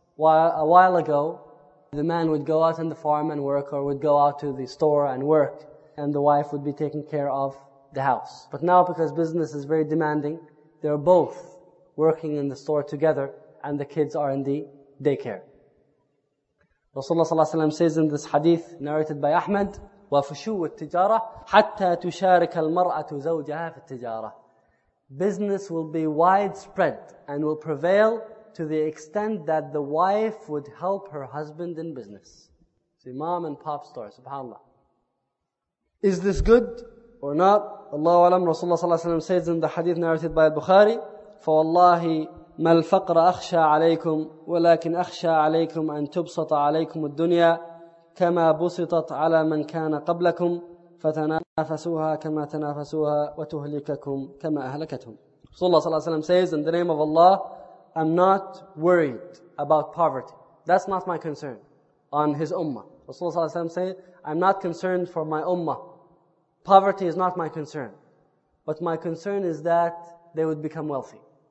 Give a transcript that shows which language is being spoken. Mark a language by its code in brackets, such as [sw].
[en] While a while ago, the man would go out on the farm and work, or would go out to the store and work, and the wife would be taking care of the house. But now, because business is very demanding, they're both working in the store together, and the kids are in the daycare. Rasulullah ﷺ says in this hadith narrated by Ahmed, [ar] وَفُشُوُ التِّجَارَةِ حَتَّى تُشَارِكَ الْمَرْأَةُ زَوْجَهَا فِي التِّجَارَةِ. [en] Business will be widespread and will prevail to the extent that the wife would help her husband in business. See, mom and pop store, subhanAllah. Is this good or not? Allahu alam. Rasulullah ﷺ says in the hadith narrated by Bukhari, [ar] فَوَاللَّهِ مَا الْفَقْرَ أَخْشَى عَلَيْكُمْ وَلَكِنْ أَخْشَى عَلَيْكُمْ أَن تُبْسَطَ عَلَيْكُمُ الدُّنْيَا كما بسطت على من كان قبلكم فتنافسوها كما تنافسوها وتهلككم كما أهلكتهم. [en] Rasulullah صلى الله عليه وسلم says, in the name of Allah, I'm not worried about poverty. That's not my concern on his ummah. Rasulullah صلى الله عليه وسلم says, I'm not concerned for my ummah. Poverty is not my concern. But my concern is that they would become wealthy.